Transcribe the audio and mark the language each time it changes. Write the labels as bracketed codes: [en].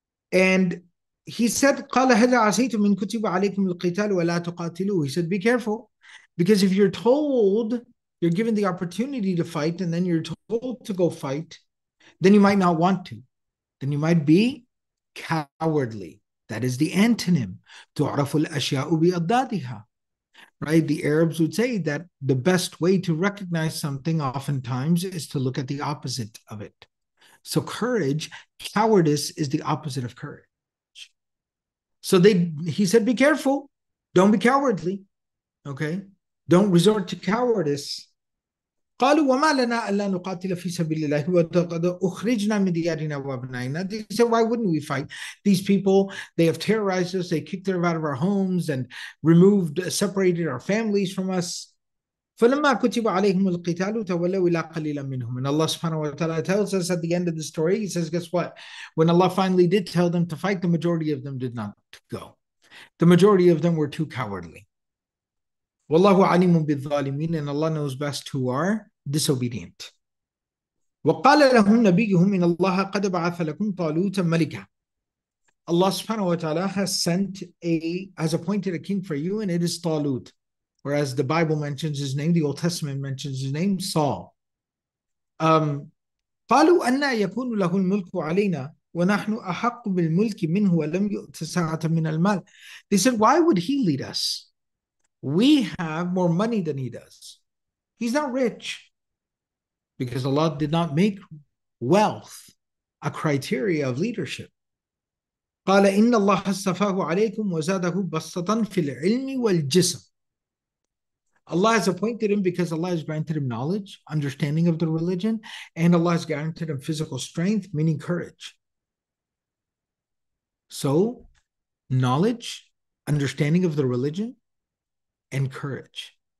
[en] And he said, [ar] قَالَ هَذَا عَسَيْتُ مِنْ كُتِبَ عَلَيْكُمْ الْقِتَالُ وَلَا تُقَاتِلُوا [en] He said, be careful, because if you're told, you're given the opportunity to fight, and then you're told to go fight, then you might not want to. Then you might be cowardly. That is the antonym. [ar] تُعْرَفُ الْأَشْيَاءُ بِأَضْدَادِهَا Right? [en] The Arabs would say that the best way to recognize something oftentimes is to look at the opposite of it. So courage, cowardice is the opposite of courage. So he said, be careful. Don't be cowardly. Okay? Don't resort to cowardice. [ar] قالوا وما لنا الا نقاتل في سبيل الله وقد اخرجنا من ديارنا وابنائنا [en] They said, why wouldn't we fight? These people, they have terrorized us, they kicked them out of our homes and separated our families from us. [ar] فلما كتب عليهم القتال تولوا الى قليل منهم [en] And Allah subhanahu wa ta'ala tells us at the end of the story, he says, guess what? When Allah finally did tell them to fight, the majority of them did not go. The majority of them were too cowardly. [ar] وَاللَّهُ عَلِيمٌ بِالظَّالِمِينَ [en] And Allah knows best who are disobedient. [ar] وَقَالَ لَهُمْ نَبِيُّهُمْ إِنَ اللَّهَ قَدْ بَعَثَ لَكُمْ طَالُوتَ مَلِكًا [en] Allah subhanahu wa ta'ala has appointed a king for you and it is Talut. whereas the Bible mentions his name, the Old Testament mentions his name, Saul. [ar] قالوا أن يكون له الملك علينا ونحن أحق بالملك منه ولم يؤت ساعة من المال. [en] They said, why would he lead us? We have more money than he does. He's not rich, because Allah did not make wealth a criteria of leadership. [ar] قال إن الله اصطفاه عليكم وزاده بسطا في العلم والجسم. [en] Allah has appointed him because Allah has granted him knowledge, understanding of the religion, and Allah has granted him physical strength, meaning courage. So, knowledge, understanding of the religion, and courage.